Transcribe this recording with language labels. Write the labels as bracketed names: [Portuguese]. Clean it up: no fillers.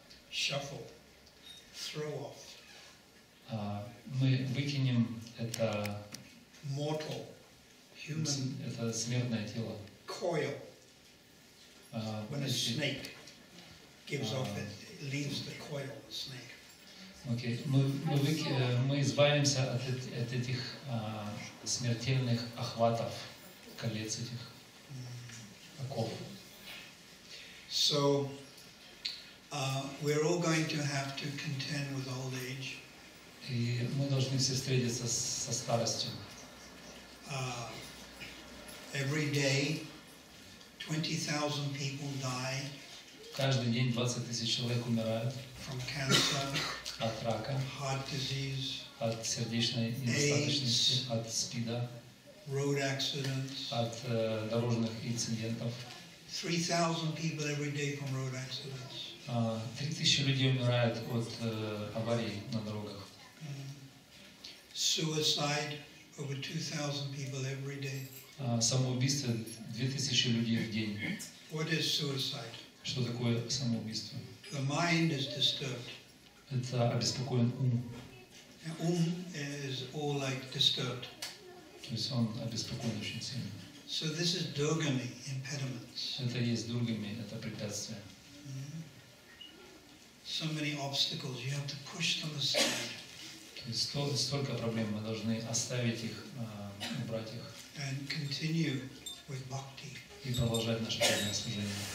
[English] Shuffle. Throw off. [Russian] Мы выкинем это [English] mortal human [Russian] это смертное тело. [English] Coil. When a snake gives off it, leaves the coil, the snake. [Russian] Окей, мы избавимся от этих смертельных охватов, колец этих оков. [English] So, we're all going to have to contend with old age. [Russian] И мы должны все встретиться со старостью. [English] Every day, 20,000 people die. [Russian] Каждый день 20 тысяч человек умирают. [English] From cancer. [Russian] От рака, [English] heart disease, [Russian] от сердечной недостаточности, [English] AIDS, [Russian] от СПИДа, [English] road accidents, [Russian] от дорожных инцидентов. [English] 3,000 people every day from road accidents. [Russian] 3,000 людей умирают от аварий на дорогах. [English] Suicide, over 2,000 people every day. [Russian] Самоубийство 2,000 людей в день. [English] What is suicide? [Russian] Что такое самоубийство? [English] The mind is disturbed. [Russian] Это обеспокоен ум. [English] Ум is all like disturbed. [Russian] То есть он обеспокоен очень сильно. [English] So this is durgami, impediments. [Russian] Это есть дургами, это препятствия. Mm-hmm. [English] So many obstacles, you have to push them aside. [Russian] То есть столько проблем, мы должны оставить их, убрать их. [English] And continue with bhakti. [Russian] И продолжать наше преданное служение.